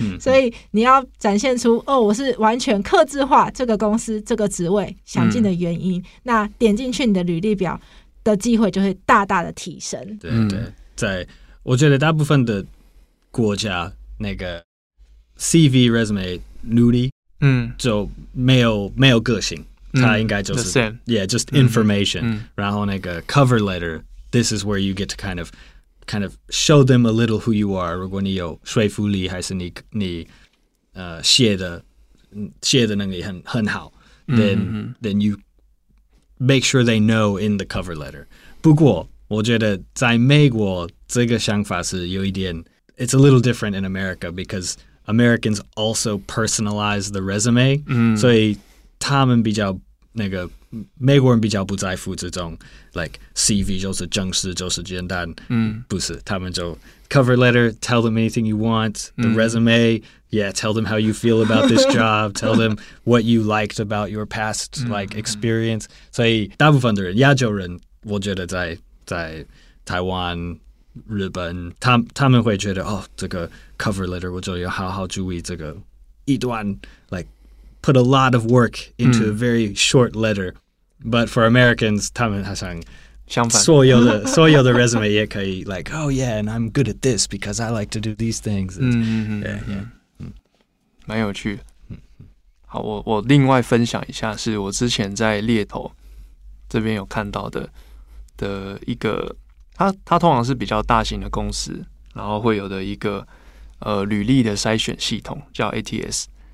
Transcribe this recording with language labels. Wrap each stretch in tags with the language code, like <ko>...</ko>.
<zh>所以你要展现出，哦，我是完全客制化这个公司这个职位想进的原因，那点进去你的履历表的机会就会大大的提升。对对，在我觉得大部分的国家那个CV resume 履历，就没有个性，它应该就是</zh> <en>the same. Yeah, just information.</en> <zh>然后那个</zh> <en>cover letter, this is where you get to kind of show them a little who you are.</en> <zh>如果你有说服力，还是你写的能力很好，</zh> <en>then you make sure they know in the cover letter.</en> <zh>不过我觉得在美国这个想法是有一点</zh> <en>it's a little different in America because. Americans also personalize the resume, so they</en> <zh>们比较那个美国人比较不在乎这种</zh> <en>like CV</en> <zh>就是正式就是简单，不是，他们就</zh> <en>cover letter, tell them anything you want, the resume, yeah, tell them how you feel about this job, tell them what you liked about your past like experience.</en> <zh>所以大部分的人亚洲人，我觉得在台湾。日本他们会觉得哦，这个 cover letter 我就要好好注意这个一段 like</zh> <en>put a lot of work into a very short letter. But for Americans,</en> <zh>他们好像相反，所有的</zh> <en>resume</en> <zh>也可以</zh> <en>like oh yeah, and I'm good at this because I like to do these things.</en> <zh>蛮有趣的。好，我另外分享一下，是我之前在猎头这边有看到的一个。它通常是比较大型的公司，然后会有的一个履历的筛选系统叫 ATS。</zh>